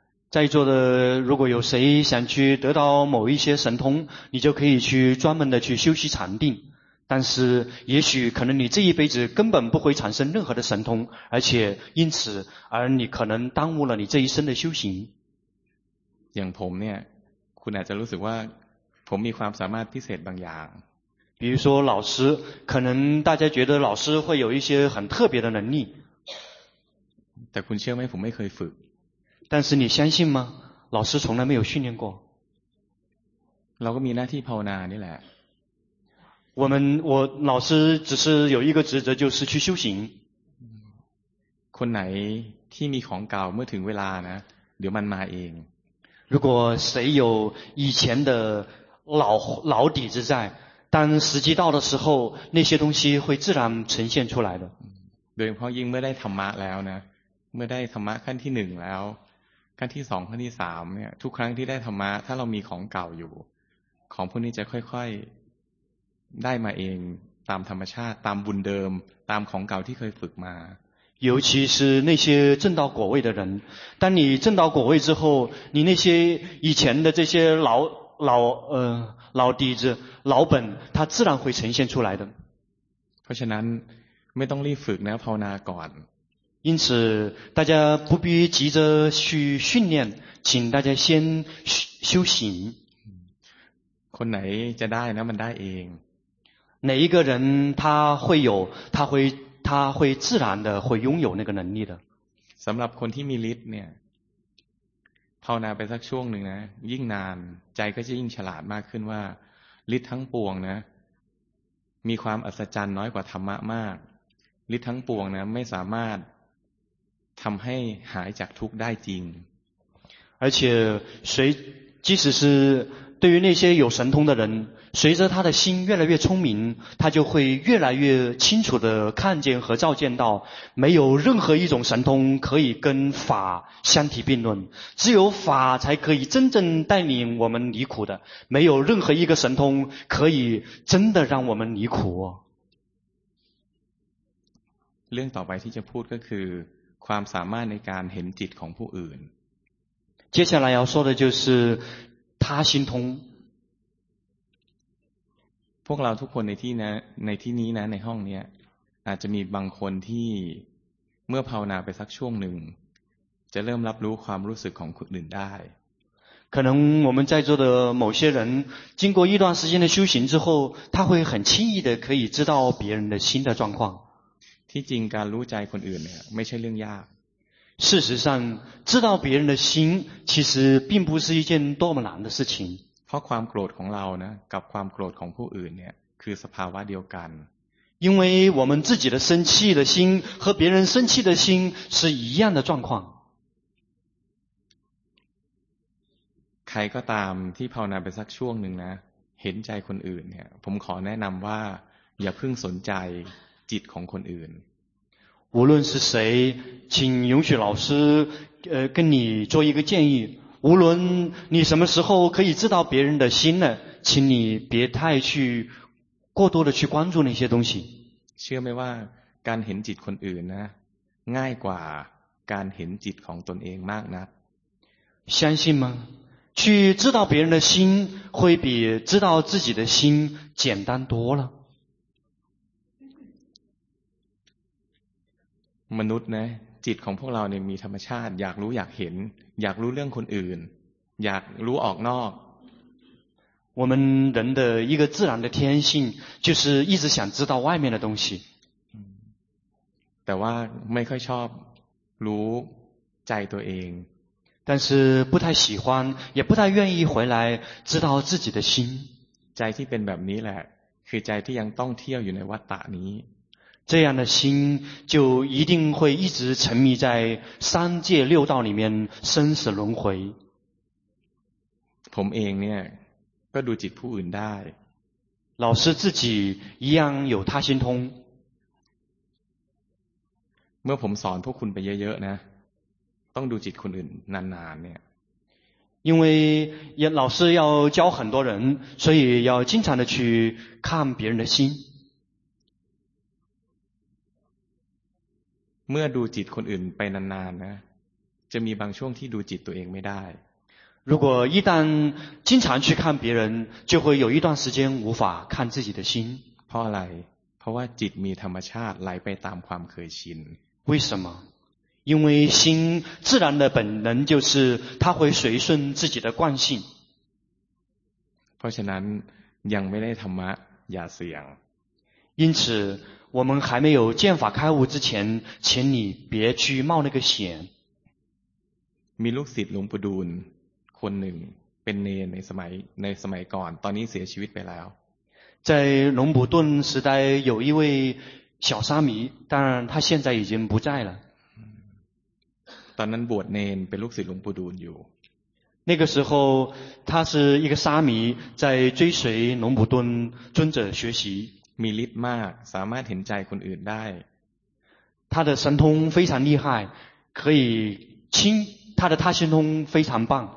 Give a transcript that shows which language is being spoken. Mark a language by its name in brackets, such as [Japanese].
[Chinese] 在座的如果有谁想去得到某一些神通你就可以去专门的去修习禅定但是也许可能你这一辈子根本不会产生任何的神通而且因此而你可能耽误了你这一生的修行 [Thai] อย่างผมเนี่ยคุณอาจจะรู้สึกว่าผมมีความสามารถพิเศษบางอย่าง [Chinese] 比如说老师可能大家觉得老师会有一些很特别的能力 [Thai] แต่คุณเชื่อไหมผมไม่เคยฝึก [Chinese] 但是你相信吗老师从来没有训练过 [Thai] เราก็มีหน้าที่ภาวนานี่แหละ [Chinese] 我老师只是有一个职责就是去修行 [Thai] คนไหนที่มีของเก่าเมื่อถึงเวลานะเดี๋ยวมันมาเอง [Chinese] 如果谁有以前的老底子在当时机到的时候那些东西会自然呈现出来的 [Thai] โดยเฉพาะยิ่งเมื่อได้ธรรมะแล้วนะเมื่อได้ธรรมะขั้นที่หนึ่งแล้วขั้นที่สองขั้นที่สามเนี่ยทุกครั้งที่ได้ธรรมะถ้าเรามีของเก่าอยู่ของพวกนี้จะค่อยๆได้มาเองตามธรรมชาติตามบุญเดิมตามของเก่าที่เคยฝึกมา [Chinese] 尤其是那些证到果位的人当你证到果位之后你那些以前的这些老底子老本它自然会呈现出来的 [Thai] เพราะฉะนั้นไม่ต้องรีบฝึกนะภาวนาก่อน [Chinese] 因此大家不必急着去训练请大家先修行 [Thai] คนไหนจะได้นะมันได้เอง [Chinese] 哪一个人他会有他会自然的会拥有那个能力的 [Thai] สำหรับคนที่มีฤทธิ์เนี่ยภาวนาไปสักช่วงหนึ่งนะยิ่งนานใจก็จะยิ่งฉลาดมากขึ้นว่าฤทธิ์ทั้งปวงนะมีความอัศจรรย์น้อยกว่าธรรมะมากฤทธิ์ทั้งปวงนะไม่สามารถทำให้หายจากทุกข์ได้จริง [Chinese] 而且谁即使是对于那些有神通的人随着他的心越来越聪明他就会越来越清楚地看见和照见到没有任何一种神通可以跟法相提并论只有法才可以真正带领我们离苦的没有任何一个神通可以真的让我们离苦 [Thai] เรื่องต่อไปที่จะพูดก็คือความสามารถในการเห็นจิตของผู้อื่น [Chinese] 接下来要说的就是他心通 [Thai] พวกเราทุกคนในที่นะในที่นี้นะในห้องเนี้ยอาจจะมีบางคนที่เมื่อภาวนาไปสักช่วงหนึ่งจะเริ่มรับรู้ความรู้สึกของคนอื่นได้ [Chinese] 可能我们在座的某些人经过一段时间的修行之后他会很轻易的可以知道别人的心的状况 [Thai] ที่จริงการรู้ใจคนอื่นเนี่ยไม่ใช่เรื่องยาก [Chinese] 事实上知道别人的心其实并不是一件多么难的事情 [Thai] เพราะความโกรธของเรานะกับความโกรธของผู้อื่นเนี่ยคือสภาวะเดียวกัน [Chinese] 因为我们自己的生气的心和别人生气的心是一样的状况 [Thai] ใครก็ตามที่ภาวนาไปสักช่วงหนึ่งนะเห็นใจคนอื่นเนี่ยผมขอแนะนำว่าอย่าเพิ่งสนใจจิตของคนอื่น [Chinese] 无论是谁请允许老师跟你做一个建议无论你什么时候可以知道别人的心呢请你别太去过多的去关注那些东西 [Thai] เชื่อไหมว่าการเห็นจิตคนอื่นนะง่ายกว่าการเห็นจิตของตนเองมากนะ [Chinese] 相信吗去知道别人的心会比知道自己的心简单多了 [Thai] มนุษย์นะจิตของพวกเราเนี่ยมีธรรมชาติอยากรู้อยากเห็นอยากรู้เรื่องคนอื่นอยากรู้ออกนอก [Chinese] 我们人的一个自然的天性就是一直想知道外面的东西 [Thai] แต่ว่าไม่ค่อยชอบรู้ใจตัวเอง [Chinese] 但是不太喜欢也不太愿意回来知道自己的心 [Thai] ใจที่เป็นแบบนี้แหละคือใจที่ยังต้องเที่ยวอยู่ในวัฏฏะนี้ [Chinese] 这样的心就一定会一直沉迷在三界六道里面生死轮回 [Thai] ผมเองเนี่ยก็ดูจิตผู้อื่นได้ [Chinese] 老师自己一样有他心通 [Thai] เมื่อผมสอนพวกคุณไปเยอะๆนะต้องดูจิตคนอื่นนานๆเนี่ย [Chinese] 因为老师要教很多人所以要经常的去看别人的心 [Thai] เมื่อดูจิตคนอื่นไปนานๆนะจะมีบางช่วงที่ดูจิตตัวเองไม่ได้ [Chinese] 如果一旦经常去看别人就会有一段时间无法看自己的心 [Thai] เพราะอะไรเพราะว่าจิตมีธรรมชาติไหลไปตามความเคยชิน [Chinese] 为什么因为心自然的本能就是它会随顺自己的惯性 [Thai] เพราะฉะนั้นยังไม่ได้ธรรมะอย่าเสี่ยง [Chinese] 因此我们还没有见法开悟之前请你别去冒那个险 [Thai] มีลูกศิษย์หลวงปู่ดูลคนหนึ่งเป็นเนในสมัยก่อนตอนนี้เสียชีวิตไปแล้ว [Chinese] 在龙普顿时代有一位小沙弥当然他现在已经不在了 [Thai] ตอนนั้นบวชเนนเป็นลูกศิษย์หลวงปู่ดูลอยู่ [Chinese] 那个时候他是一个沙弥在追随龙普顿尊者学习 [Thai] มีฤทธิ์มากสามารถเห็นใจคนอื่นได้ [Chinese] 他的神通非常厉害可以清他的他心通非常棒